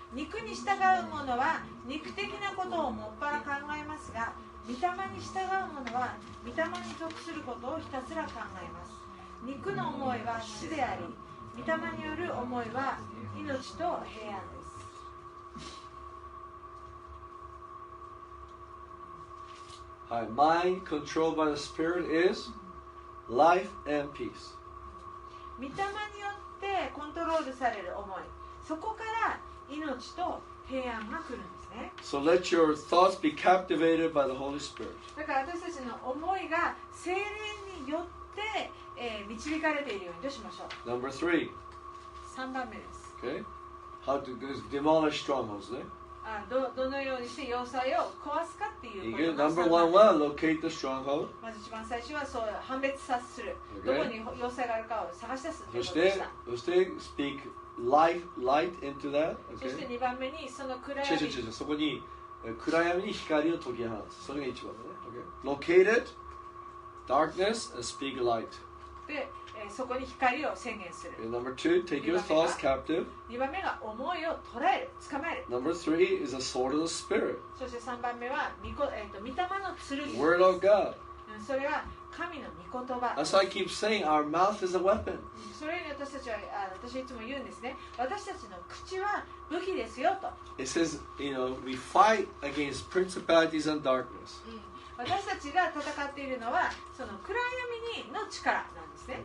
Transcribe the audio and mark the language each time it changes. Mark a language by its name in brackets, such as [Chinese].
[Japanese] 肉に従う者は肉的なことをもっぱら考えますが、御霊に従う者は御霊に属することをひたすら考えます。肉の思いは死であり、御霊による思いは命と平安です。 [English] はい、mind controlled by the spirit is life and peace. [Japanese] 御霊によってコントロールされる思い、そこから命と平安が来るんですね。 [English] So let your thoughts be captivated by the Holy Spirit. [Japanese] だから私たちの思いが聖霊によって、導かれているようにどうしましょう。 [English] Number [Japanese] three. 3番目です。 [English] Okay. How to demolish strongholds? ね。 [Japanese] どのようにして要塞を壊すかっていうこと [English] の Number one は locate the stronghold. [Japanese] まず一番最初はそう判別さする、okay. どこに要塞があるかを探し出すということでした。 [English] そして speak light into that、okay. [Japanese] そして2番目にその暗闇違うそこに暗闇に光を解き放つ、それが一番だね、okay. [English] locate it darkness and speak light. [Japanese] って、そこに光を宣言する。 [English] And number two, take your thoughts captive. [Japanese] 2番目が思いを捉える、捕まえる。 [English] Number three is a sword of the spirit. [Japanese] そして3番目は御霊の剣。 [English] Word of God. [Japanese] それは神の御言葉。 [English] As I keep saying, our mouth is a weapon. [Japanese] それに私たちは、私いつも言うんですね。私たちの口は武器ですよと。 [English] It says, you know, we fight against principalities and darkness. [Japanese] 私たちが戦っているのはその暗闇の力なんですね。